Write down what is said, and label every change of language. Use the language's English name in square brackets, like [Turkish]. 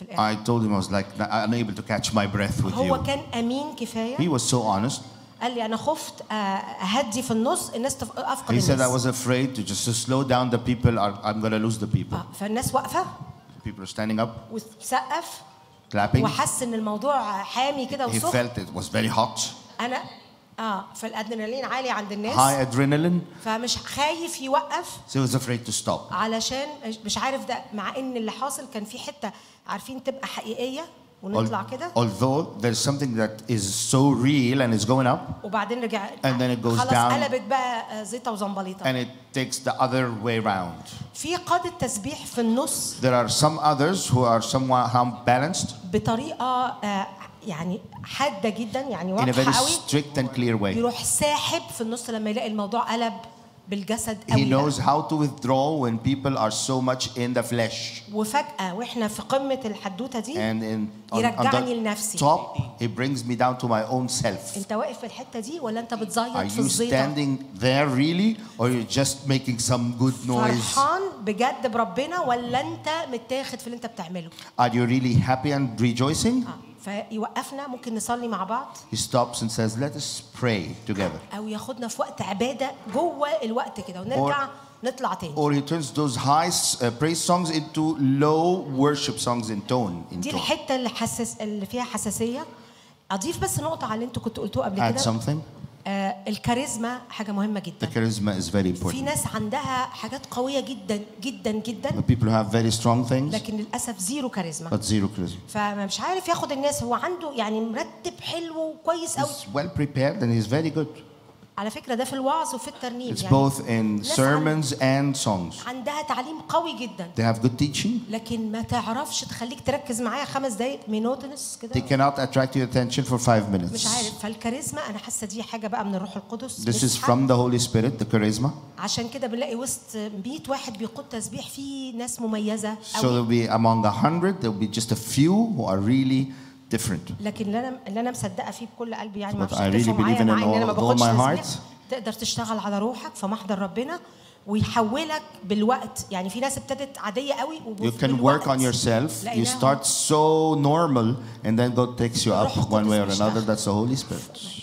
[English] I told him, I was like, unable to catch my breath with you. He was so honest. He said, I was afraid to just slow down the people, or I'm going to lose the people. People are standing up, [Arabic] وسقف, [English] clapping. [Arabic] وحس إن الموضوع حامي كده وصخ. [English] He felt it was very hot. [Arabic] أنا فالأدرينالين عالي عند الناس. [English] High adrenaline. [Arabic] فمش خايف يوقف. [English] So he was afraid to stop. [Arabic] علشان مش عارف ده مع إن اللي حاصل كان في حتة عارفين تبقى حقيقية ونطلع كده. [English] Although there's something that is so real and is going up. [Arabic] وبعدين رجع. [English] And then it goes down. [Arabic] خلاص قلبت بقى زيتة وزنبليطة. [English] And it takes the other way round. [Arabic] في قادة تسبيح في النص. [English] There are some others who are somewhat balanced. [Arabic] بطريقة يعني حادة جدا يعني واضحة قوي. [English] In a very strict and clear way. [Arabic] يروح ساحب في النص لما يلاقي الموضوع قلب. بالجسد [English] He knows how to withdraw when people are so much in the flesh. [Arabic] وفجأة وإحنا في قمة الحدوتة دي. [English] And in [Arabic] يرجعني لنفسي. [English] Top, he brings me down to my own self. [Arabic] أنت واقف في الحتة دي ولا أنت بتزيط في الزيطة؟ [English] Are you standing there really, or you're just making some good noise? [Arabic] فرحان بجد بربنا ولا أنت متاخد في اللي أنت بتعمله؟ [English] Are you really happy and rejoicing? [Arabic] فيوقفنا ممكن نصلي مع بعض. [English] He stops and says, "Let us pray together." [Arabic] أو ياخدنا في وقت عبادة جوه الوقت كده ونرجع نطلع تاني. [English] Or he turns those high praise songs into low worship songs in tone. [Arabic] دي الحتة اللي حسس اللي فيها حساسية. أضيف بس نقطة على اللي أنتوا كنتوا قلتوه قبل كده. [English] Add something. [Arabic] الكاريزما حاجة مهمة جدا. [English] The charisma is very important. [Arabic] في ناس عندها حاجات قوية جدا جدا جدا. [English] The people who have very strong things. [Arabic] لكن للأسف زيرو كاريزما. [English] But zero charisma. [Arabic] فمش عارف ياخد الناس هو عنده يعني مرتب حلو وكويس أوي. [English] He's well prepared and he's very good. [Arabic] على فكرة ده في الوعظ وفي الترنيم. [English] It's both in sermons and songs. [Arabic] عندها تعليم قوي جدا. [English] They have good teaching. [Arabic] لكن ما تعرفش تخليك تركز معايا خمس دقايق مينوتنس كده. [English] They cannot attract your attention for five minutes. [Arabic] مش عارف فالكاريزما أنا حاسة دي حاجة بقى من الروح القدس. [English] This is from the Holy Spirit, the charisma. [Arabic] عشان كده بنلاقي وسط 100 واحد بيقود تسبيح في ناس مميزة. [English] So there'll be among 100, there'll be just a few who are really different. [Arabic] لكن اللي انا مصدقه فيه بكل قلبي يعني ما بتفهموش معايا ان انا ما باخدش تقدر تشتغل على روحك في محضر ربنا ويحولك بالوقت يعني في ناس ابتدت عاديه قوي [English] You can work on yourself you start so normal and then God takes you up one way or another that's the Holy Spirit